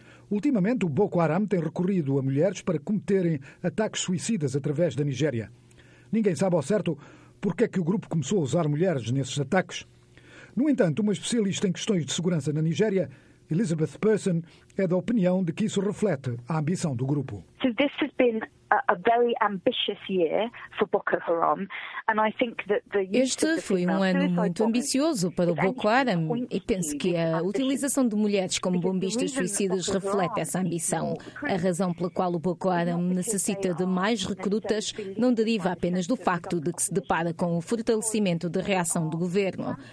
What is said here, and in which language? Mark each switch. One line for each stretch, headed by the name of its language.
Portuguese: Ultimamente, o Boko Haram tem recorrido a mulheres para cometerem ataques suicidas através da Nigéria. Ninguém sabe ao certo porque é que o grupo começou a usar mulheres nesses ataques. No entanto, uma especialista em questões de segurança na Nigéria, Elizabeth Person, é da opinião de que isso reflete a ambição do grupo.
English: So this has been a very ambitious year for Boko Haram, and I think that the
Portuguese: Este foi um ano muito ambicioso para o Boko Haram e penso que a utilização de mulheres como bombistas suicidas reflete essa ambição. A razão pela qual o Boko Haram necessita de mais recrutas não deriva apenas do facto de que se depara com o fortalecimento de reação do governo.